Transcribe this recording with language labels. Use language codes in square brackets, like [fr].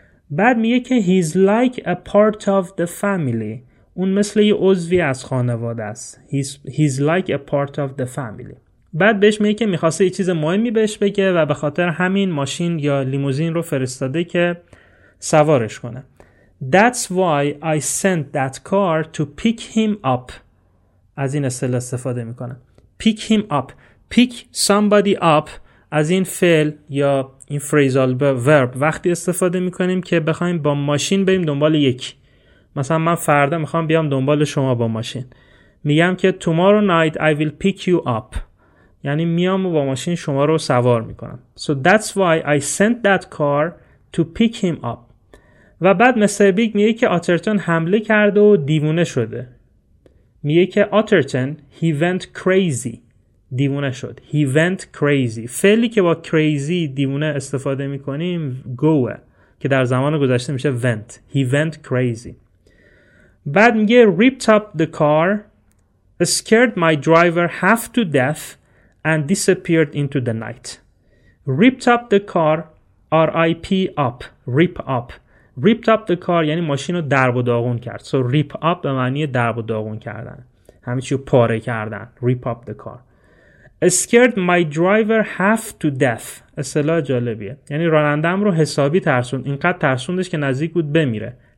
[fa] بعد میگه که [en] he's like a part of the family. [fa] اون مثل یه عضوی از خانواده است. [en] He's like a part of the family. [fa] بعد بهش میگه که میخواسته یه چیز مهمی بهش بگه و به خاطر همین ماشین یا لیموزین رو فرستاده که سوارش کنه. [en] That's why I sent that car to pick him up. [fa] از این اصطلاح استفاده میکنه. [en] Pick him up. Pick somebody up [fa] از این فعل یا این phrasal verb وقتی استفاده میکنیم که بخوایم با ماشین بریم دنبال یکی. مثلا من فردا میخوام بیام دنبال شما با ماشین، میگم که [en] tomorrow night I will pick you up، [fa] یعنی میام و با ماشین شما رو سوار میکنم. [en] So that's why I sent that car to pick him up. [fa] و بعد مستر بیگ میگه که آترتون حمله کرده و دیوونه شده. میگه که آترتون [en] he went crazy، [fa] دیوونه شد. [en] He went crazy، [fa] فعلی که با crazy دیوونه استفاده میکنیم goه که در زمان گذشته میشه went. [en] He went crazy. [fa] بعد میگه [en] ripped up the car, scared my driver half to death and disappeared into the night. ripped up the car, R-I-P up, rip up. [fa] Ripped up the car یعنی ماشین رو درب و داغون کرد. [en] So rip up [fa] به معنی درب و داغون کردن. همه چی رو پاره کردن. [en] Rip up the car. Scared my driver half to death. [fa] اصطلاح جالبیه. یعنی رانندم رو حسابی ترسوند. اینقدر ترسوندش که نزدیک بود بمیره.